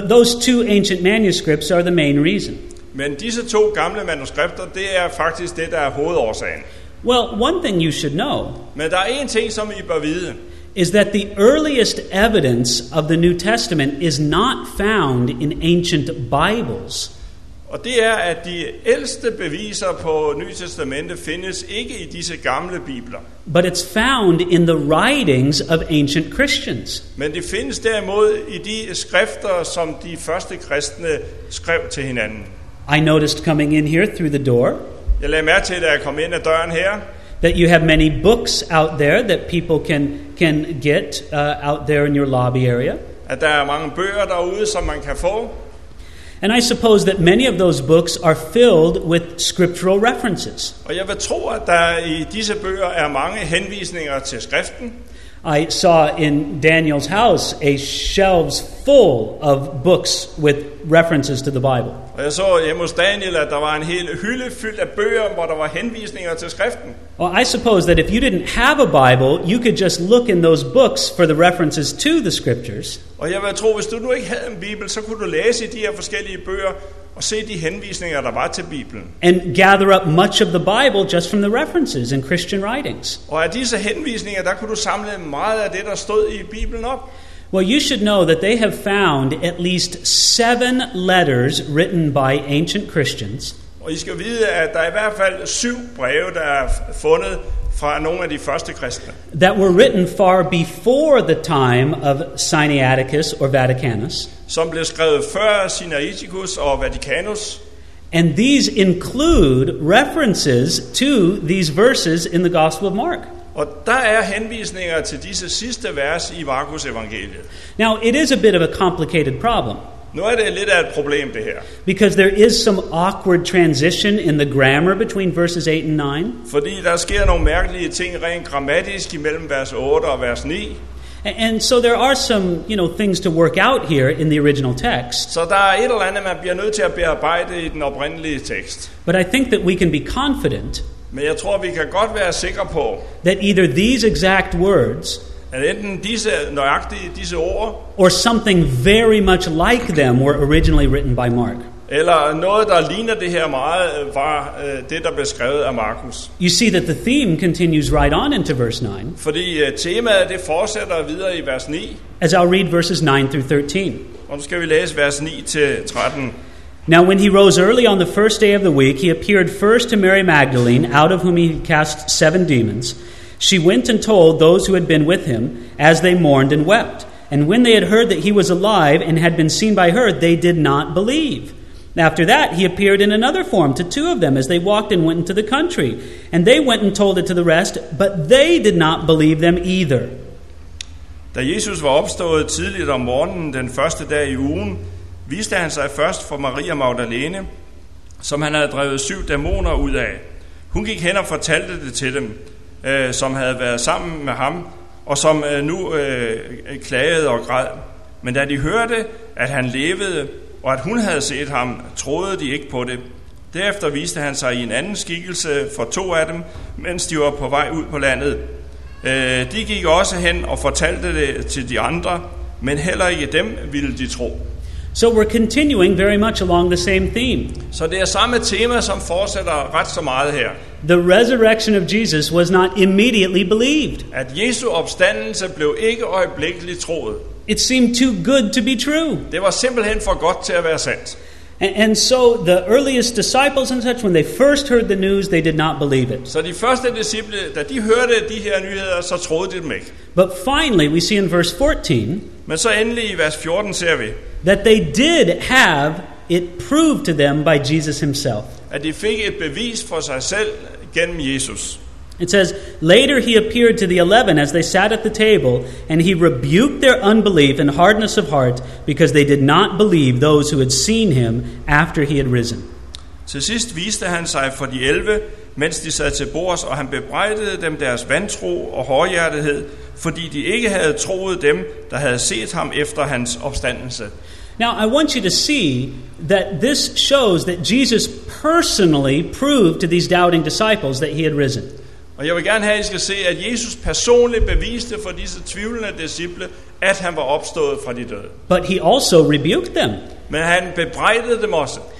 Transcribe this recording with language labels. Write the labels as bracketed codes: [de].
[en] But those two ancient manuscripts are the main reason. [da] Men disse to gamle manuskripter, det er faktisk det, der er hovedårsagen. [en] Well, one thing you should know. [da] Men der er en ting, som I bør vide. [en] Is that the earliest evidence of the New Testament is not found in ancient Bibles. [da] Og det er, at de ældste beviser på Nye Testamente findes ikke i disse gamle bibler. [en] But it's found in the writings of ancient Christians. [da] Men det findes derimod i de skrifter, som de første kristne skrev til hinanden. [en] I noticed coming in here through the door. [da] Jeg lagde mærke til, da jeg kom ind ad døren her. [en] That you have many books out there that people can get out there in your lobby area. [da] At der er mange bøger derude, som man kan få. [en] And I suppose that many of those books are filled with scriptural references. [da] Og jeg vil tro, at der i disse bøger er mange henvisninger til skriften. [en] I saw in Daniel's house a shelves full of books with references to the Bible. [da] Og jeg så hjemme hos Daniel, at der var en hel hylde fyldt af bøger, hvor der var henvisninger til skriften. [en] Well, I suppose that if you didn't have a Bible, you could just look in those books for the references to the scriptures. [da] Og jeg vil tro, hvis du nu ikke havde en Bibel, så kunne du læse i de her forskellige bøger og se de henvisninger, der var til Bibelen. [en] And gather up much of the Bible just from the references in Christian writings. [da] Og af disse henvisninger, der kunne du samle meget af det, der stod i Bibelen op. [en] Well, you should know that they have found at least 7 letters written by ancient Christians. [da] Og I skal vide, at der er i hvert fald 7 breve, der er fundet fra nogle af de første kristne. [en] That were written far before the time of Sinaiticus or Vaticanus. [da] Som blev skrevet før Sinaiticus og Vaticanus. [en] And these include references to these verses in the Gospel of Mark. [da] Og der er henvisninger til disse sidste vers i Markus evangeliet. [en] Now, it is a bit of a complicated problem. [da] Nu er det lidt af et problem, det her. [en] Because there is some awkward transition in the grammar between verses 8 and 9. [da] Fordi der sker nogle mærkelige ting rent grammatisk imellem vers 8 og vers 9. [en] And so there are some, you know, things to work out here in the original text. [da] Så der er et eller andet, man bliver nødt til at bearbejde i den oprindelige tekst. [en] But I think that we can be confident. [da] Men jeg tror, vi kan godt være sikre på, [en] that either these exact words, [da] at enten disse nøjagtige disse ord, [en] or something very much like them were originally written by Mark. [da] Eller noget, der ligner det her meget, var det, der blev skrevet af Markus. [en] You see that the theme continues right on into verse 9. [da] Fordi temaet, det fortsætter videre i vers 9. [en] As I'll read verses 9 through 13. [da] Og nu skal vi læse vers 9 til 13. [en] Now when he rose early on the first day of the week, he appeared first to Mary Magdalene, out of whom he had cast 7 demons. She went and told those who had been with him, as they mourned and wept. And when they had heard that he was alive and had been seen by her, they did not believe. After that, he appeared in another form to 2 of them as they walked and went into the country. And they went and told it to the rest, but they did not believe them either. [da] Da Jesus var opstået tidligt om morgenen den første dag i ugen, viste han sig først for Maria Magdalene, som han havde drevet 7 dæmoner ud af. Hun gik hen og fortalte det til dem, som havde været sammen med ham, og som nu klagede og græd. Men da de hørte, at han levede, og at hun havde set ham, troede de ikke på det. Derefter viste han sig i en anden skikkelse for 2 af dem, mens de var på vej ud på landet. De gik også hen og fortalte det til de andre, men heller ikke dem ville de tro. [en] So we're continuing very much along the same theme. [da] Så det er samme tema, som fortsætter ret så meget her. [en] The resurrection of Jesus was not immediately believed. [da] At Jesu opstandelse blev ikke øjeblikkeligt troet. [en] It seemed too good to be true. [da] Det var simpelthen for godt til at være sandt. [en] And so the earliest disciples and such, when they first heard the news, they did not believe it. [da] Så de første disciple, da de hørte de her nyheder, så troede de dem ikke. [en] But finally, we see in verse 14. [da] Men så endelig i vers 14 ser vi, [en] that they did have it proved to them by Jesus himself. [da] At de fik et bevis for sig selv gennem Jesus. [en] It says, later he appeared to the 11 as they sat at the table, and he rebuked their unbelief and hardness of heart, because they did not believe those who had seen him after he had risen. [da] Til sidst viste han sig for de 11, mens de sad til bords, og han bebrejdede dem deres vantro og hårdhjertighed, fordi de ikke havde troet dem, der havde set ham efter hans opstandelse. [en] Now I want you to see that this shows that Jesus personally proved to these doubting disciples that he had risen. [da] Og jeg vil gerne have, at I skal se, at Jesus personligt beviste for disse tvivlende disciple, at han var opstået fra de døde. [en] But he also rebuked them. [da] Men han bebrejdede dem også.